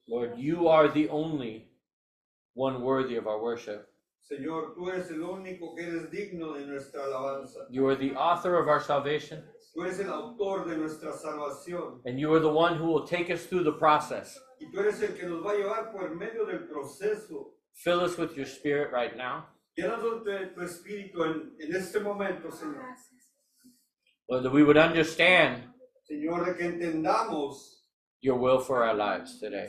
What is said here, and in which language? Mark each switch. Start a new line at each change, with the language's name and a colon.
English: Lord, you are the only one worthy of our worship.
Spanish: Señor, tú eres el único que eres digno de nuestra alabanza.
English: You are the author of our salvation.
Spanish: Tú eres el autor de nuestra salvación.
English: And you are the one who will take us through the process.
Spanish: Y tú eres el que nos va a llevar por medio del proceso.
English: Fill us with your spirit right now.
Spanish: Llénanos de tu espíritu en este momento, Señor.
English: Lord, that we would understand,
Spanish: Señor, que entendamos
English: your will for our lives today.